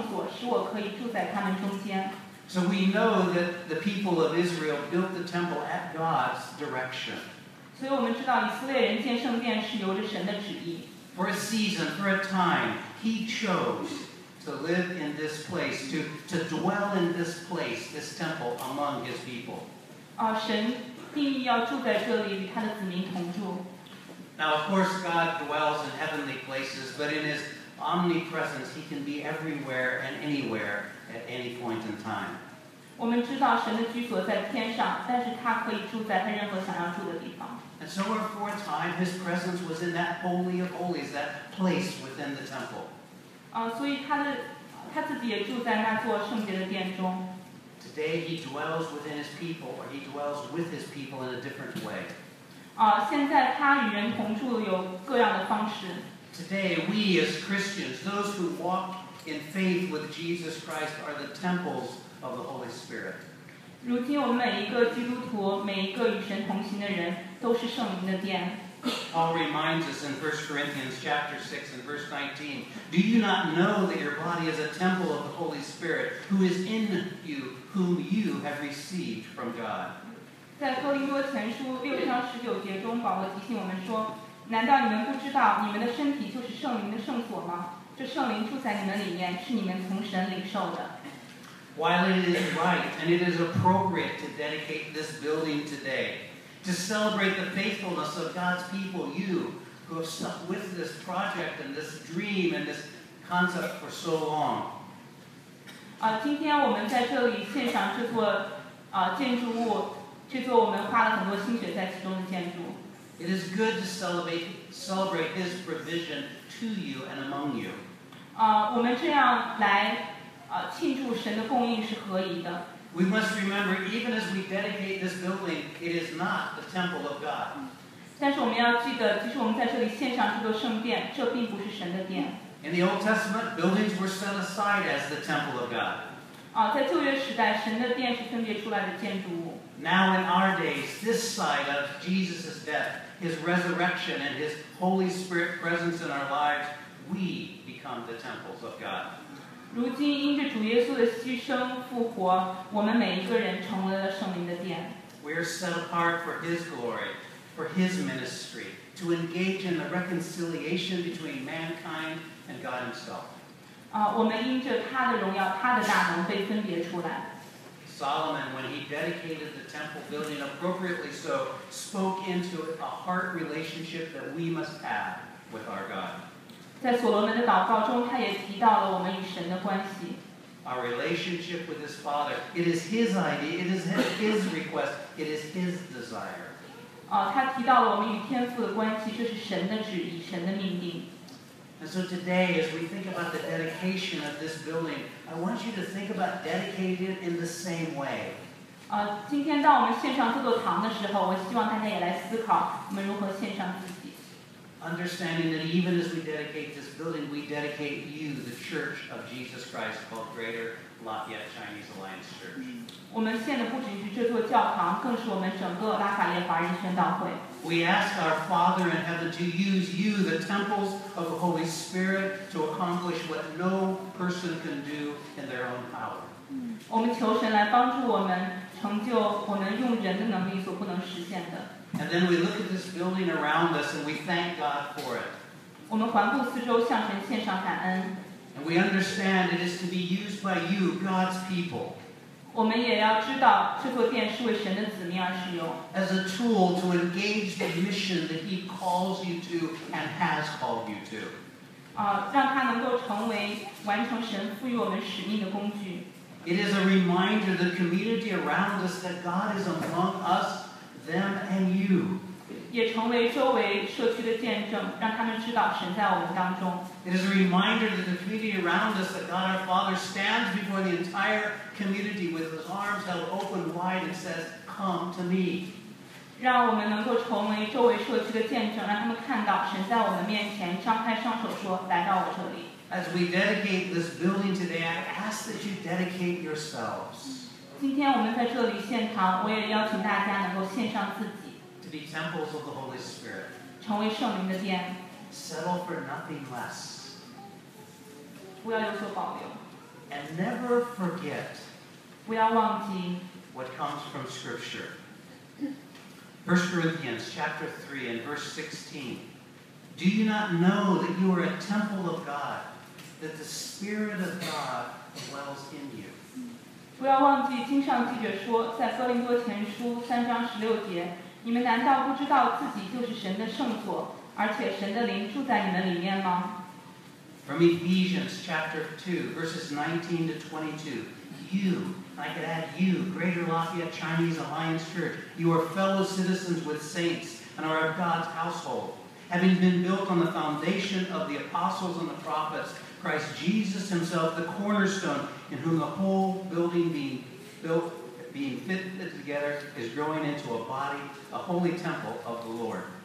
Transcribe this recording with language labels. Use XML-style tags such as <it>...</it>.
<zh>在出埃及记25章8节中，神说，又当为我造圣所，使我可以住在他们中间。</zh> <en>So we know that the people of Israel built the temple at God's direction.</en> <zh>所以我们知道以色列人建圣殿是由着神的旨意。</zh> <en>For a season, for a time, He chose to live in this place, to dwell in this place, this temple, among His people.</en> <zh>神定义要住在这里，与他的子民同住。</zh> <en>Now, of course, God dwells in heavenly places, but in His omnipresence, He can be everywhere and anywhere at any point in time.</en> <zh>我们知道神的居所在天上，但是他可以住在他任何想要住的地方。</zh> <en>And so for a time, His presence was in that holy of holies, that place within the temple.</en> <zh>所以他自己也住在那座圣洁的殿中。</zh> <en>Today He dwells within His people, or He dwells with His people in a different way.</en> <zh>现在他与人同住有各样的方式。</zh> <en>Today, we as Christians, those who walk in faith with Jesus Christ, are the temples of the Holy Spirit.</en> <zh>如今我们每一个基督徒，每一个与神同行的人，都是圣灵的殿。</zh> <en>Paul reminds us in 1 Corinthians chapter 6 and verse 19, Do you not know that your body is a temple of the Holy Spirit, who is in you, whom you have received from God?</en> <zh>在哥林多前书六章十九节中，保罗提醒我们说，难道你们不知道你们的身体就是圣灵的圣所吗？这圣灵住在你们里面，是你们从神领受的。</zh> <en>While it is right and it is appropriate to dedicate this building today, to celebrate the faithfulness of God's people, you, who have stuck with this project and this dream and this concept for so long.</en> <zh>今天我们在这里献上这座建筑物，这座我们花了很多心血在其中的建筑。</zh> <en>It is good to celebrate His provision to you and among you.</en> <zh>我们这样来庆祝神的供应是合宜的。</zh> <en>We must remember, even as we dedicate this building, it is not the temple of God.</en> <zh>但是我们要记得，即使我们在这里献上这座圣殿，这并不是神的殿。</zh> <en>In the Old Testament, buildings were set aside as the temple of God.</en> <zh>在旧约时代，神的殿是分别出来的建筑物。</zh> <en>Now in our days, this side of Jesus' death, His resurrection, and His Holy Spirit presence in our lives, we become the temples of God.</en> <zh>如今因着主耶稣的牺牲复活，我们每一个人成为了圣灵的殿。</zh> <en>We are set apart for His glory, for His ministry, to engage in the reconciliation between mankind and God Himself.</en> <zh>我们因着他的荣耀，他的大能被分别出来。</zh> <en>Solomon, when he dedicated the temple building appropriately so, spoke into a heart relationship that we must have with our God.</en> <zh>在所罗门的祷告中，他也提到了我们与神的关系。</zh> <en>Our relationship with his Father, it is his idea, it is his request, it is his desire.</en> <zh>他提到了我们与天父的关系，这是神的旨意，神的命定。</zh> <en>And so today, as we think about the dedication of this building, I want you to think about dedicating it in the same way.</en> <zh>今天当我们献上这座堂的时候，我希望大家也来思考，我们如何献上自己。</zh> <en>Understanding that even as we dedicate this building, we dedicate you, the Church of Jesus Christ, called Greater Lafayette Chinese Alliance Church.</en> <zh>我们献的不仅是这座教堂，更是我们整个拉法叶华人宣道会。</zh> <en>We ask our Father in heaven to use you, the temples of the Holy Spirit, to accomplish what no person can do in their own power.</en> <zh>我们求神来帮助我们成就我们用人的能力所不能实现的。</zh> <en>And then we look at this building around us and we thank God for it.</en> <zh>我们环顾四周向神献上感恩。</zh> <en>And we understand it is to be used by you, God's people.</en> <zh>我们也要知道这座殿是为神的子民而使用。</zh> <en>As a tool to engage the mission that he calls you to and has called you to.</en> <zh>让它能够成为完成神赋予我们使命的工具。</zh> <en>It is a reminder to the community around us that God is among us, them and you.</en> <zh>也成为周围社区的见证，让他们知道神在我们当中。</zh> <en>It is a reminder to the community around us that God our Father stands before the entire community with his arms held open wide and says, Come to me.</en> <zh>让我们能够成为周围社区的见证，让他们看到神在我们面前张开双手说，来到我这里。</zh> <en>As we dedicate this building today, I ask that you dedicate yourselves.</en> <zh>今天我们在这里献堂，我也邀请大家能够献上自己。</zh> <en>To be temples of the Holy Spirit.</en> <zh>成为圣灵的殿。</zh> <en>Settle for nothing less.</en> <zh>不要有所保留。</zh> <en>And never forget.</en> <zh>不要忘记。</zh> <en>What comes from Scripture. 1 Corinthians chapter 3 and verse 16. Do you not know that you are a temple of God, that the Spirit of God dwells in you?</en> <zh>不要忘记，经上记着说，在哥林多前书三章十六节，你们难道不知道自己就是神的圣所？而且神的灵住在你们里面吗？</zh> <en>From Ephesians chapter 2, verses 19 to 22, you, I could add you, Greater Lafayette Chinese Alliance Church, you are fellow citizens with saints and are of God's household, having been built on the foundation of the apostles and the prophets, Christ Jesus himself, the cornerstone, in whom the whole building being built, being fitted together, is growing into a body, a holy temple of the Lord.</en>